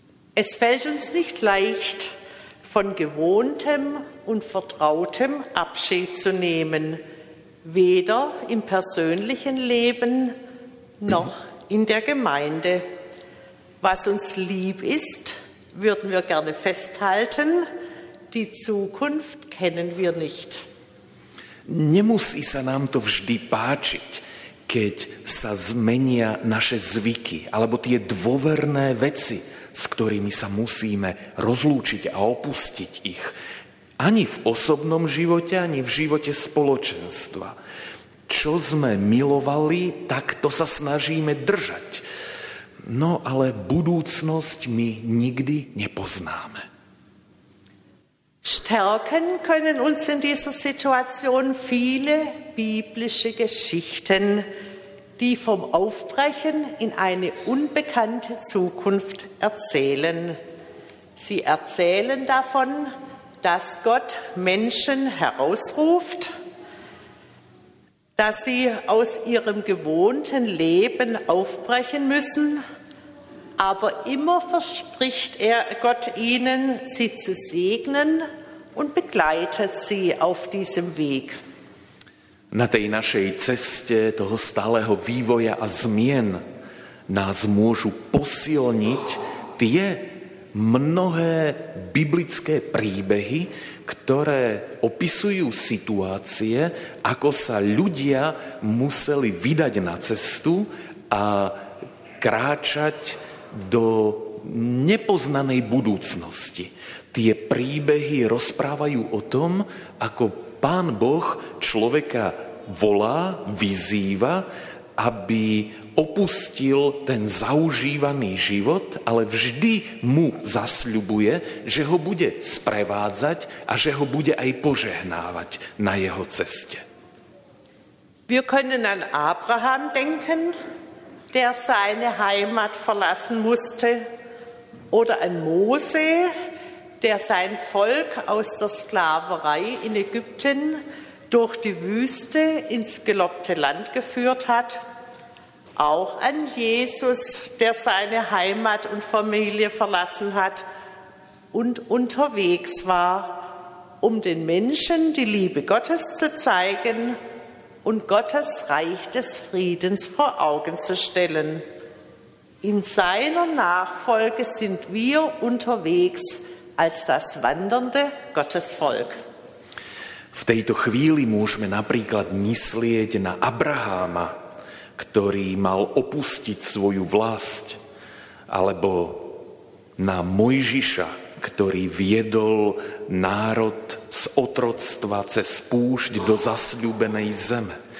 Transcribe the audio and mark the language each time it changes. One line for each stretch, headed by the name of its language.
German: Es fällt uns nicht leicht, von Gewohntem und Vertrautem Abschied zu nehmen, weder im persönlichen Leben noch in der Gemeinde. Was uns lieb ist, würden wir gerne festhalten, die Zukunft kennen wir nicht.
Slovak: Nemusí sa nám to vždy páčiť, keď sa zmenia naše zvyky alebo tie dôverné veci, s ktorými sa musíme rozlúčiť a opustiť ich. Ani v osobnom živote, ani v živote spoločenstva. Čo sme milovali, tak to sa snažíme držať. No ale budúcnosť my nikdy nepoznáme.
German: Stärken können uns in dieser Situation viele biblische Geschichten, die vom Aufbrechen in eine unbekannte Zukunft erzählen. Sie erzählen davon, dass Gott Menschen herausruft, dass sie aus ihrem gewohnten Leben aufbrechen müssen, aber immer verspricht er Gott ihnen, sie zu segnen und begleitet sie auf diesem Weg.
Slovak: Na tej našej ceste toho stáleho vývoja a zmien nás môžu posilniť tie mnohé biblické príbehy, ktoré opisujú situácie, ako sa ľudia museli vydať na cestu a kráčať do nepoznanej budúcnosti. Tie príbehy rozprávajú o tom, ako Pán Boh človeka volá, vyzýva, aby opustil ten zaužívaný život, ale vždy mu zasľubuje, že ho bude sprevádzať a že ho bude aj požehnávať na jeho ceste.
German: Wir können an Abraham denken, der seine Heimat verlassen musste, oder an Mose, der sein Volk aus der Sklaverei in Ägypten durch die Wüste ins gelobte Land geführt hat, auch an Jesus, der seine Heimat und Familie verlassen hat und unterwegs war, um den Menschen die Liebe Gottes zu zeigen und Gottes Reich des Friedens vor Augen zu stellen. In seiner Nachfolge sind wir unterwegs als das wandernde Gottesvolk.
Slovak: V tejto chvíli môžeme napríklad myslieť na Abraháma, ktorý mal opustiť svoju vlast, alebo na Mojžiša, ktorý viedol národ z otroctva cez púšť do zasľúbenej zeme.